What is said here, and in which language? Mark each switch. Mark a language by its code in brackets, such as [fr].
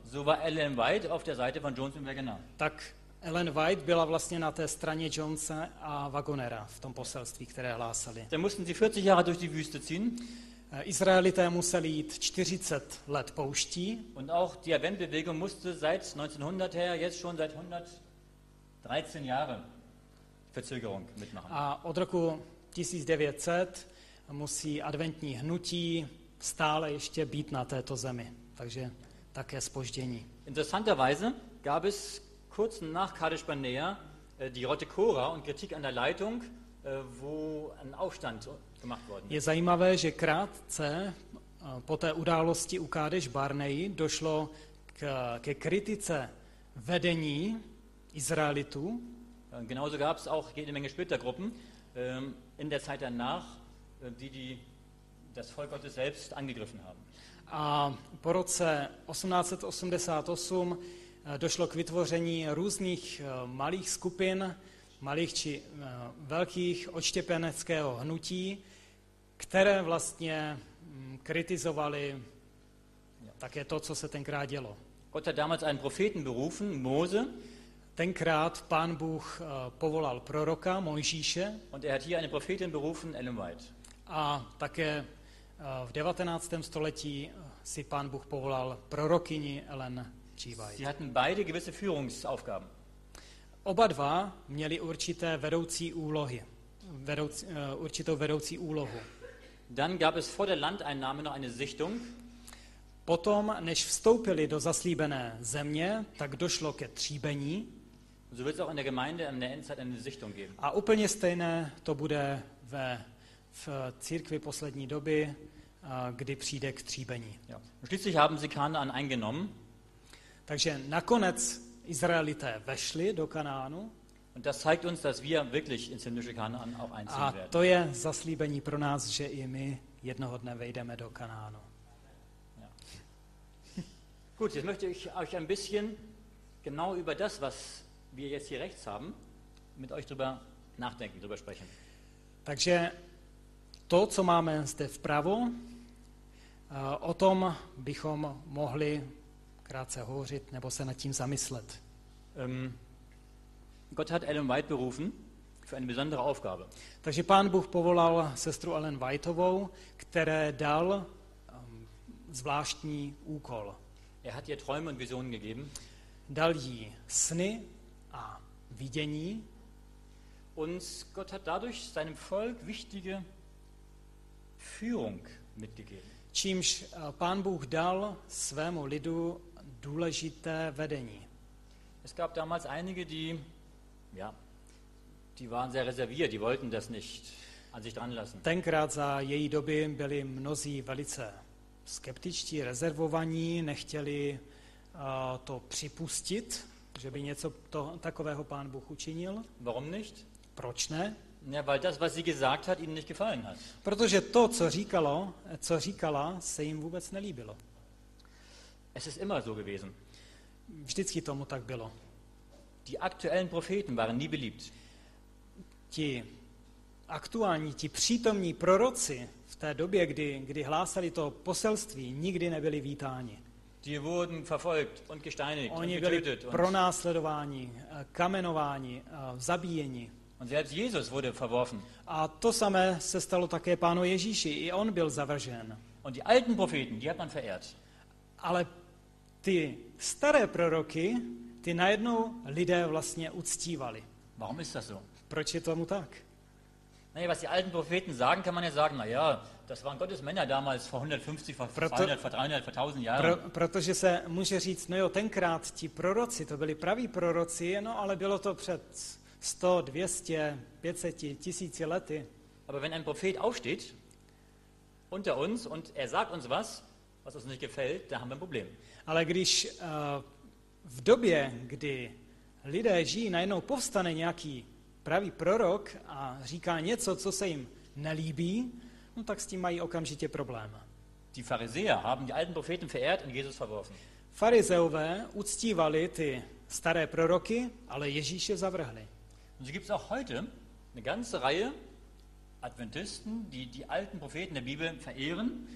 [de] so war Ellen White auf der Seite von Jones und Wegener. [cs] Tak Ellen White byla vlastně na té straně Jonesa a Wagonera v tom poselství, které hlásali. [de] Dann mussten sie 40 Jahre durch die Wüste ziehen. [cs] Izraelité museli jít 40 let pouští. [de] Und auch die Wendebewegung musste seit 1900 her, jetzt schon seit 113 Jahren Verzögerung mitmachen. [cs] A od roku 1900 musí adventní hnutí stále ještě být na této zemi. Takže také zpoždění. [de] Interessanterweise gab es kurz nach Kadesh Barnea die Rote Kora und Kritik an der Leitung, wo ein Aufstand gemacht worden ist. [cs] Je zajímavé, že krátce po té události u Kadesh Barnei došlo ke kritice vedení Izraelitů. [de] Genauso gab es auch jede Menge Splittergruppen in der Zeit danach, die das Volk Gottes selbst angegriffen haben. [cs] A po roce 1888 došlo k vytvoření různých malých skupin, malých či velkých odštěpeneckého hnutí, které vlastně kritizovali také to, co se tenkrát dělo. [de] Gott hat damals einen Propheten berufen, Mose. [cs] Tenkrát Pán Bůh povolal proroka Mojžíše. [de] Und er hat hier eine Prophetin berufen, Ellen White. [cs] A také v 19. století si Pán Bůh povolal prorokyni Ellen G. White. [de] Sie hatten beide gewisse Führungsaufgaben. [cs] Oba dva měli určité vedoucí úlohy. Určitou vedoucí úlohu. [de] Dann gab es vor der Landeinnahme noch eine Sichtung. [cs] Potom, než vstoupili do zaslíbené země, tak došlo ke tříbení. [de] So wird es auch in der Gemeinde in der Endzeit eine Sichtung geben. [cs] A úplně stejné to bude v církvi poslední doby, kdy přijde k tříbení. [de] Ja. Schließlich haben sie Kanaan eingenommen. [cs] Takže nakonec Izraelité vešli do Kanaanu. [de] Und das zeigt uns, dass wir wirklich ins himmlische Kanaan auch einziehen werden. [cs] A to je zaslíbení pro nás, že i my jednoho dne vejdeme do Kanaanu. [de] Ja. Gut, jetzt möchte ich euch ein bisschen genau über das, was wir jetzt hier rechts haben, mit euch drüber nachdenken, drüber sprechen. [cs] Takže to, co máme zde vpravo, o tom bychom mohli krátce hovořit nebo se nad tím zamyslet. [de] Gott hat Ellen White berufen für eine besondere Aufgabe. [cs] Takže Pán Bůh povolal sestru Ellen Whiteovou, které dal zvláštní úkol. [de] Er hat ihr Träume und Visionen gegeben. [cs] Dal jí sny a vidění. [de] Und Gott hat dadurch seinem Volk wichtige Führung mitgegeben. [cs] Čímž Pán Bůh dal svému lidu důležité vedení. [de] Es gab damals einige, die waren sehr reserviert, die wollten das nicht an sich dran lassen. [cs] Tenkrát za její doby byli mnozí velice skeptičtí, rezervovaní, nechtěli to připustit, že by něco takového Pán Bůh učinil. [de] Warum nicht? [cs] Proč ne? [de] Ja, weil das, was sie gesagt hat, ihnen nicht gefallen hat. [cs] Protože to, co říkala, se jim vůbec nelíbilo. [de] Es ist immer so gewesen. [cs] Vždycky tomu tak bylo. [de] Die aktuellen Propheten waren nie beliebt. [cs] Ti přítomní proroci v té době, kdy hlásali to poselství, nikdy nebyli vítáni. [de] Die wurden verfolgt und gesteinigt. [cs] Oni byli pronásledováni, kamenováni, zabíjeni. [de] Und selbst Jesus wurde verworfen. [cs] A to samé se stalo také Pánu Ježíši, i on byl zavržen. [de] Und die alten Propheten, die hat man verehrt. [cs] Ale ty staré proroky, ty najednou lidé vlastně uctívali. [de] Warum ist das so? [cs] Proč je tomu tak? [de] Nee, was die alten Propheten sagen, kann man ja sagen, na ja, das waren Gottes Männer damals vor 150, vor 200, vor 300, vor 1000 Jahren. [cs] Protože se může říct, no jo, tenkrát ti proroci, to byli praví proroci, no ale bylo to před 100, 200, 500, 1000 lety. [de] Aber wenn ein Prophet aufsteht unter uns und er sagt uns was, was uns nicht gefällt, da haben wir ein Problem. [cs] Ale když v době, kdy lidé žijí, najednou povstane nějaký pravý prorok a říká něco, co se jim nelíbí, no tak s tím mají okamžitě problém. [de] Die Pharisäer haben die alten Propheten verehrt und Jesus verworfen. [cs] Farizeové uctívali ty staré proroky, ale Ježíše zavrhli. [de] Und so gibt es auch heute eine ganze Reihe Adventisten, die alten Propheten der Bibel verehren.